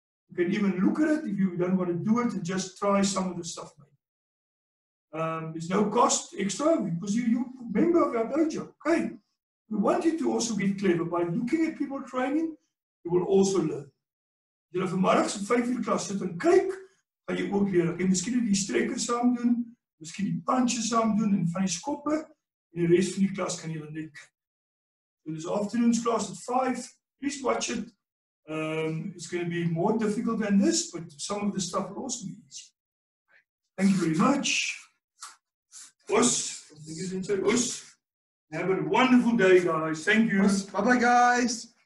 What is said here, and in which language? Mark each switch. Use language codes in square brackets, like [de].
[en] You can even look at it if you don't want to do it and just try some of the stuff. There's no cost extra because you're a member of our dojo. Okay. We want you to also be clever. By looking at people training, you will also learn. [af] You know, vanmiddag is 5 uur klas, sit en kyk, gaan jy ook leer. En miskien die streke saam doen, miskien die punches saam doen, en van die skoppe, en die rest van die klas kan jy dan net kyk. [en] This afternoon's class at 5, please watch it. It's going to be more difficult than this, but some of the stuff will also be easy. Thank you very much. Os. Have a wonderful day, guys. Thank you. Bye-bye, guys.